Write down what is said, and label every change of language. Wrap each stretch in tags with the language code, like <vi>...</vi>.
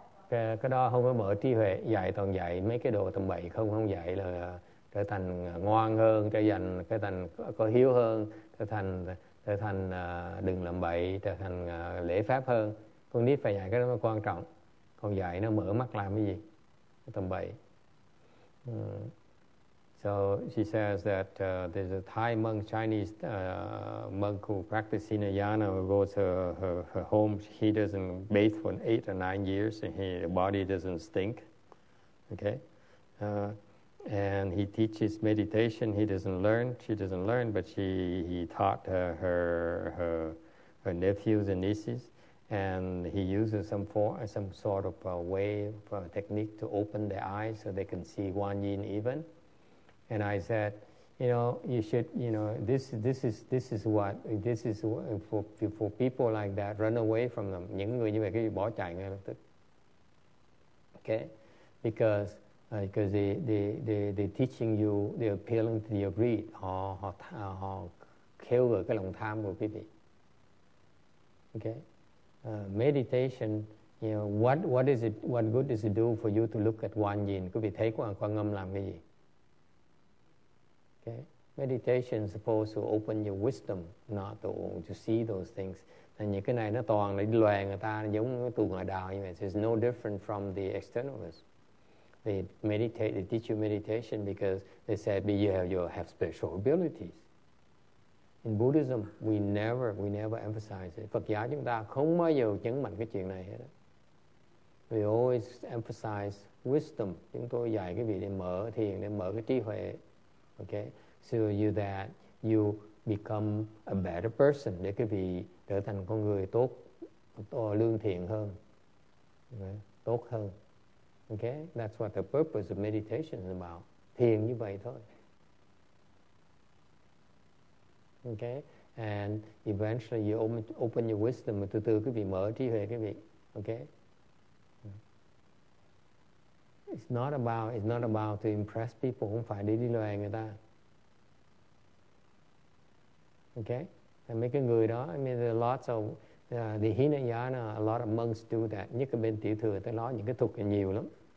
<vi>Cái đó không có mở trí huệ, dạy toàn dạy mấy cái đồ tầm bậy không, không dạy là trở thành ngoan hơn, trở thành có hiếu hơn, trở thành đừng làm bậy, trở thành lễ pháp hơn. Con nít phải dạy cái đó mới quan trọng. Còn dạy nó mở mắt làm cái gì? Cái tầm bậy.</vi> <en>So she says that there's a Thai monk, Chinese monk who practiced Hinayana, who goes to her home. He doesn't bathe for 8 or 9 years, and his body doesn't stink. Okay, and he teaches meditation. He doesn't learn. She doesn't learn, but he taught her nephews and nieces, And he uses some sort of technique to open their eyes so they can see Guan Yin even. And I said, you know, you should, you know, this is for people like that, run away from them.</en> <vi>Những người như vậy cứ bỏ chạy ngay lập tức.</vi> <en>Okay? Because they're teaching you, they're appealing to your greed.</en> <vi>Họ khêu gợi cái lòng tham của quý vị.</vi> <en>Okay? Meditation, you know, what good does it do for you to look at Quan Yin?</en> <vi>Quý vị thấy Quan Âm làm cái gì?</vi> <en>Okay? Meditation is supposed to open your wisdom, not to see those things.</en> <vi>Nên những cái này nó toàn là đi lòe người ta, giống cái tù ngoại đạo như vậy.</vi> <en>So it's no different from the externalists. They meditate, they teach you meditation because they said, but you have special abilities. In Buddhism, we never emphasize it.</en> <vi>Phật giáo chúng ta không bao giờ nhấn mạnh cái chuyện này hết.</vi> <en>We always emphasize wisdom.</en> <vi>Chúng tôi dạy cái vị để mở thiền, để mở cái trí huệ. Okay?</vi> <en>So you that you become a better person,</en> <vi>để cái vị trở thành con người tốt, lương thiện hơn, okay? Tốt hơn. Okay?</vi> <en>That's what the purpose of meditation is about.</en> <vi>Thiền như vậy thôi.</vi> <en>Okay? And eventually you open your wisdom,</en> <vi>từ từ quý vị mở trí huệ quý vị. Okay?</vi> <en>It's not about to impress people,</en> <vi>không phải đi lòe người ta.</vi> <en>Okay?</en> <vi>Mấy cái người đó,</vi> <en>I mean, there are lots of the Hinayana, a lot of monks do that.</en> <vi>Nhất cái bên tiểu thừa, tới nói những cái thuật nhiều lắm.</vi>